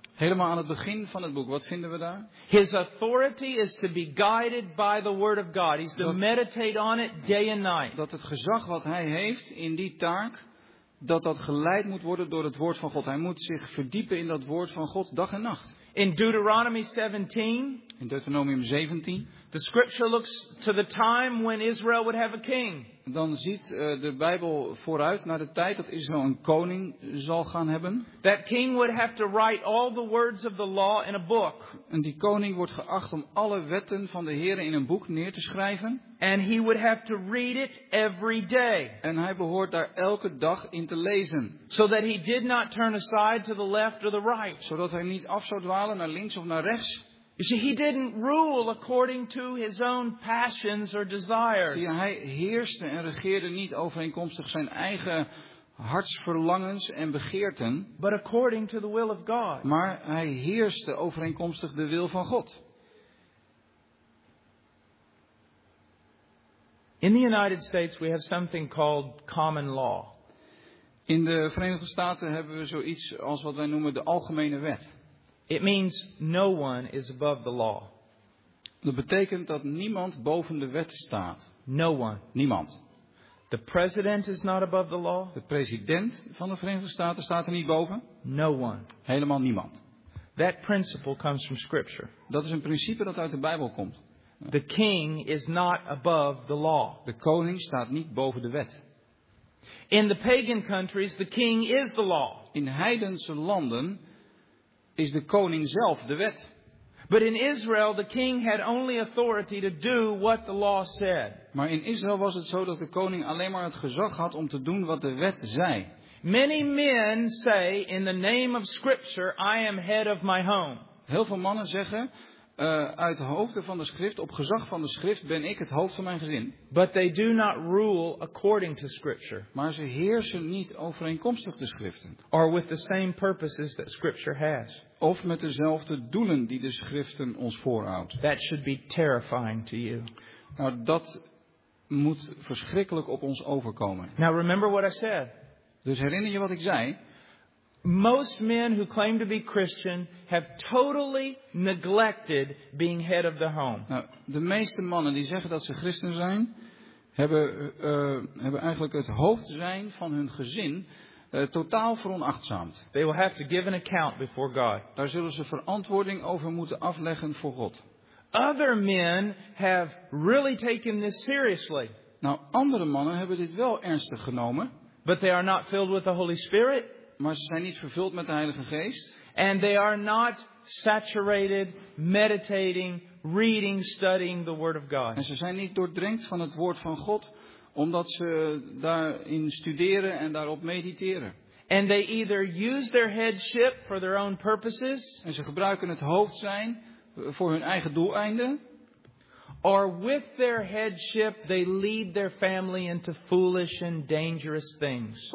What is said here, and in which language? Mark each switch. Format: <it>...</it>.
<nl>Helemaal aan het begin van het boek, wat vinden we daar?</nl> <en>His authority is to be guided by the word of God. He's to meditate on it day and night.</en> <nl>Dat het gezag wat hij heeft in die taak, dat geleid moet worden door het woord van God. Hij moet zich verdiepen in dat woord van God dag en nacht.</nl> <en>In Deuteronomy 17.</en> <nl>In Deuteronomium 17.</nl> <en>The scripture looks to the time when Israel would have a king.</en> <nl>Dan ziet de Bijbel vooruit naar de tijd dat Israël een koning zal gaan hebben.</nl> <en>That king would have to write all the words of the law in a book.</en> <nl>En die koning wordt geacht om alle wetten van de Heere in een boek neer te schrijven.</nl> <en>And he would have to read it every day.</en> <nl>En hij behoort daar elke dag in te lezen.</nl> <en>So that he did not turn aside to the left or the right.</en> <nl>Zodat hij niet af zou dwalen naar links of naar rechts.</nl> <en>You see, he didn't rule according to his own passions or desires.</en> <nl>Zie, hij heerste en regeerde niet overeenkomstig zijn eigen hartsverlangens en begeerten.</nl> <en>But according to the will of God.</en> <nl>Maar hij heerste overeenkomstig de wil van God.</nl> <en>In the United States we have something called common law.</en> <nl>In de Verenigde Staten hebben we zoiets als wat wij noemen de algemene wet.</nl> <en>It means no one is above the law.</en> <nl>Dat betekent dat niemand boven de wet staat.</nl> <en>No one.</en> <nl>Niemand.</nl> <en>The president is not above the law.</en> <nl>De president van de Verenigde Staten staat er niet boven.</nl> <en>No one.</en> <nl>Helemaal niemand.</nl> <en>That principle comes from scripture.</en> <nl>Dat is een principe dat uit de Bijbel komt.</nl> <en>The king is not above the law.</en> <nl>De koning staat niet boven de wet.</nl> <en>In the pagan countries, the king is the law.</en> <nl>In heidense landen is de koning zelf de wet.</nl> <en>But in Israel, the king had only authority to do what the law said.</en> <nl>Maar in Israël was het zo dat de koning alleen maar het gezag had om te doen wat de wet zei.</nl> <en>Many men say, in the name of Scripture, I am head of my home.</en> <nl>Heel veel mannen zeggen, uit hoofden van de schrift, op gezag van de schrift, ben ik het hoofd van mijn gezin.</nl> <en>But they do not rule according to scripture.</en> <nl>Maar ze heersen niet overeenkomstig de schriften.</nl> <en>Or with the same purposes that scripture has.</en> <nl>Of met dezelfde doelen die de schriften ons voorhoudt.</nl> <en>That should be terrifying to you.</en> <nl>Nou, dat moet verschrikkelijk op ons overkomen.</nl> <en>Now remember what I said.</en> <nl>Dus herinner je wat ik zei?</nl> <en>Most men who claim to be Christian have totally neglected being head of the home.</en> <nl>Nou, de meeste mannen die zeggen dat ze christen zijn, hebben eigenlijk het hoofd zijn van hun gezin totaal veronachtzaamd.</nl> <en>They will have to give an account before God.</en> <nl>Daar zullen ze verantwoording over moeten afleggen voor God.</nl> <en>Other men have really taken this seriously.</en> <nl>Nou, andere mannen hebben dit wel ernstig genomen.</nl> <en>But they are not filled with the Holy Spirit.</en> <nl>Maar ze zijn niet vervuld met de Heilige Geest.</nl> <en>And they are not saturated, meditating, reading, studying the Word of God.</en> <nl>En ze zijn niet doordrenkt van het Woord van God, omdat ze daarin studeren en daarop mediteren.</nl> <en>And they either use their headship for their own purposes.</en> <nl>En ze gebruiken het hoofd zijn voor hun eigen doeleinden.</nl> <en>Or with their headship they lead their family into foolish and dangerous things.</en>